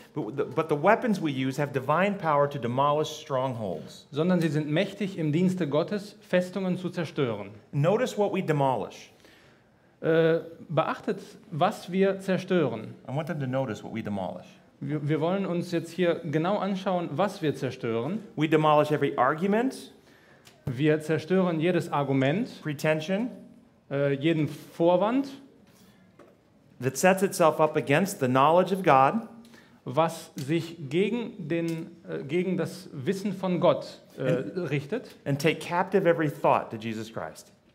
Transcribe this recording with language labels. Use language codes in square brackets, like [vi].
[en] but the weapons we use have divine power to demolish strongholds, [de] sondern sie sind mächtig im Dienste Gottes, Festungen zu zerstören. [en] Notice what we demolish. [de] Beachtet, was wir zerstören. [en] I want them to notice what we demolish. [de] Wir wollen uns jetzt hier genau anschauen, was wir zerstören. [en] We demolish every argument. [de] Wir zerstören jedes Argument. [en] Pretension. [de] Jeden Vorwand. [en] That sets itself up against the knowledge of God. [de] Was sich gegen das Wissen von Gott richtet. [en] And take captive every thought to Jesus Christ.